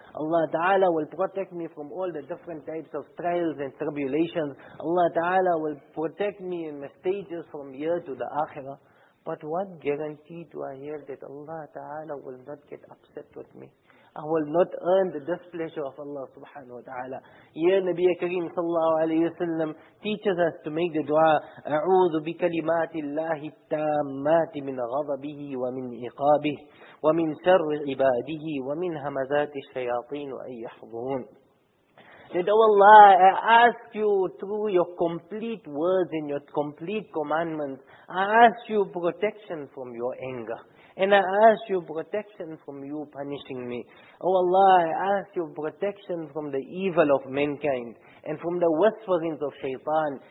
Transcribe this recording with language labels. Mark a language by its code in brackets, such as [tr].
[en] Allah ta'ala will protect me from all the different types of trials and tribulations. Allah ta'ala will protect me in my stages from here to the akhirah. But what guarantee do I have that Allah ta'ala will not get upset with me? I will not earn the displeasure of Allah subhanahu wa ta'ala. Here Nabiya Kareem sallallahu alayhi wa sallam teaches us to make the dua, [ar] أعوذ بكلمات الله التامات من غضبه ومن إقابه ومن شر عباده ومن همزات الشياطين وأن يحضرون. [en] That oh Allah, I ask you through your complete words and your complete commandments, I ask you protection from your anger. And I ask you protection from you punishing me. Oh Allah, I ask you protection from the evil of mankind and from the whisperings of shaitan.